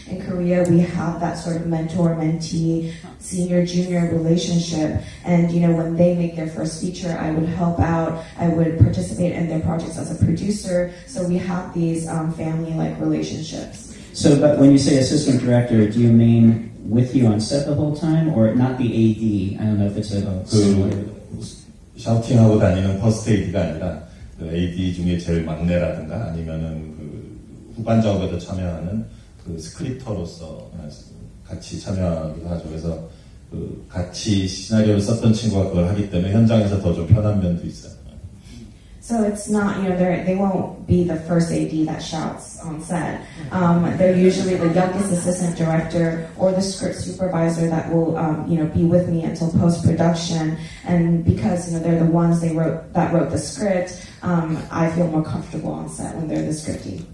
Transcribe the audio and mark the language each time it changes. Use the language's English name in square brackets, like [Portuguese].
[English] In Korea, we have that sort of mentor-mentee, senior-junior relationship, and you know, when they make their first feature, I would help out, I would participate in their projects as a producer, so we have these family-like relationships. So, but when you say assistant director, do you mean with you on set the whole time, or not the AD? I don't know if it's a similar. [Korean] 샤우팅하고 다니는 퍼스트 AD가 아니라 그 AD 중에 제일 막내라든가 아니면은 그 후반 작업에도 참여하는 그 스크립터로서 같이 참여하기도 하죠. 그래서 그 같이 시나리오를 썼던 친구가 그걸 하기 때문에 현장에서 더 좀 편한 면도 있어요. [English] So it's not, you know, they won't be the first AD that shouts on set. They're usually the youngest assistant director or the script supervisor that will, you know, be with me until post-production. And because, you know, they're the ones that wrote the script, I feel more comfortable on set when they're the scripty.